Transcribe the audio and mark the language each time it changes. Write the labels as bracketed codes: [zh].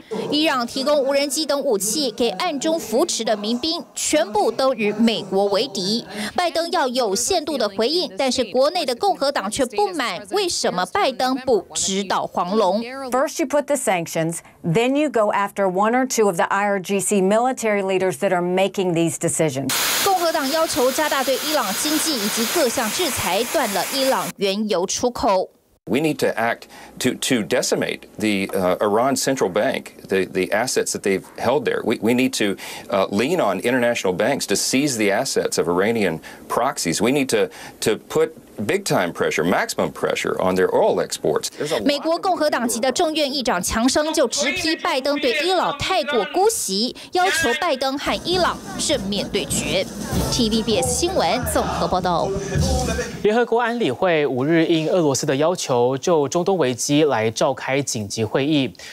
[zh] 伊朗提供无人机等武器给暗中扶持的民兵，全部都与美国为敌。拜登要有限度的回应，但是国内的共和党却不满，为什么拜登不直捣黄龙 [en] ？First you put the sanctions, then you go after one or two of the IRGC military leaders that are making these decisions. [zh] 共和党要求加大对伊朗经济以及各项制裁，断了伊朗原油出口。 [en] We need to act to decimate the Iran central bank, the assets that they've held there. We need to lean on international banks to seize the assets of Iranian proxies. We need to put big time pressure, maximum pressure on their oil exports. [zh] 美国共和党籍的众院议长强生就直批拜登对伊朗太过姑息，要求拜登和伊朗正面对决。 TVBS 新闻综合报道。联合国安理会五日应俄罗斯的要求，就中东危机来召开紧急会议。